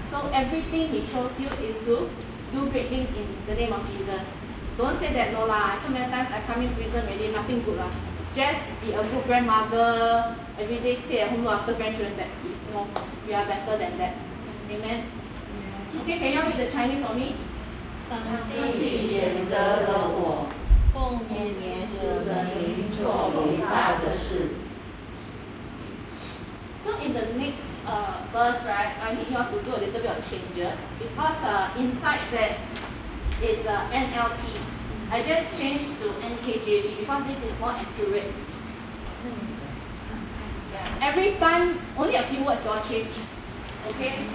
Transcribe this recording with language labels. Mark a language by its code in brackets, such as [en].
[en] So everything he chose you is to do great things in the name of Jesus. Don't say that, no lah. So many times I come in prison really, nothing good lah. Just be a good grandmother, every day stay at home, look after grandchildren, that's it. No, we are better than that. Amen. Okay, can you read the Chinese for me? [zh] 上帝选择了我，奉耶稣的名做伟大的事。 [en] So in the next verse, right, I need you all to do a little bit of changes because inside that is NLT. I just changed to NKJV because this is more accurate. Yeah. Every time, only a few words will change. Okay.